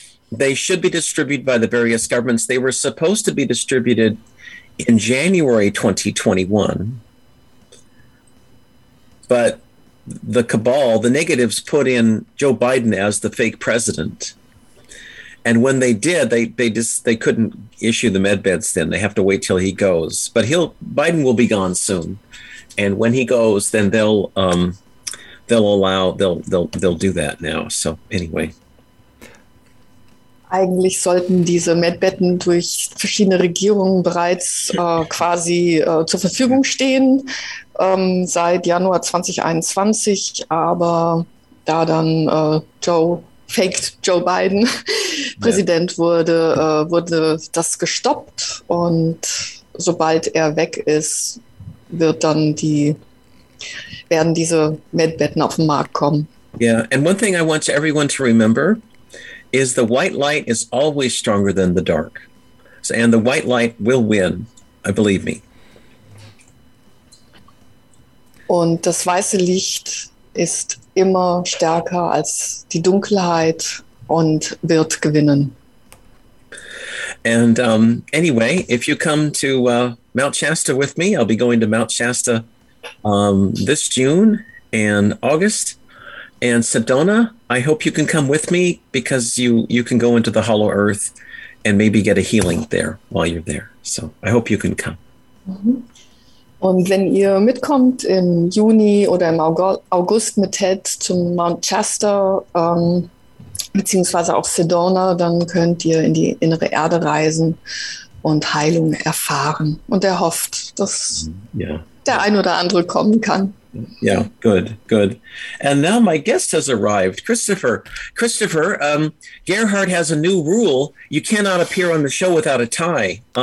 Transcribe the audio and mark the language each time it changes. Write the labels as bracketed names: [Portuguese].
[English] They should be distributed by the various governments. They were supposed to be distributed in January 2021, but the cabal, the negatives, put in Joe Biden as the fake president. And when they did, they couldn't issue the med beds then. They have to wait till he goes. But Biden will be gone soon, and when he goes, then they'll do that now. So anyway. [German] Eigentlich sollten diese Medbetten durch verschiedene Regierungen bereits quasi zur Verfügung stehen seit Januar 2021, aber da dann Joe Biden Präsident wurde, wurde das gestoppt und sobald er weg ist, werden diese Medbetten auf den Markt kommen. [English] Yeah, and one thing I want everyone to remember is the white light is always stronger than the dark. So, and the white light will win, I believe me. [German] Und das weiße Licht ist immer stärker als die Dunkelheit und wird gewinnen. [English] And anyway, if you come to Mount Shasta with me, I'll be going to Mount Shasta this June and August. And Sedona, I hope you can come with me because you can go into the hollow earth and maybe get a healing there while you're there. So I hope you can come. [German] Und wenn ihr mitkommt im Juni oder im August mit Ted zum Mount Shasta beziehungsweise auch Sedona, dann könnt ihr in die innere Erde reisen und Heilung erfahren. Und er hofft, dass der ein oder andere kommen kann. [English] Yeah, good, good. And now my guest has arrived, Christopher. Christopher, Gerhard has a new rule. You cannot appear on the show without a tie.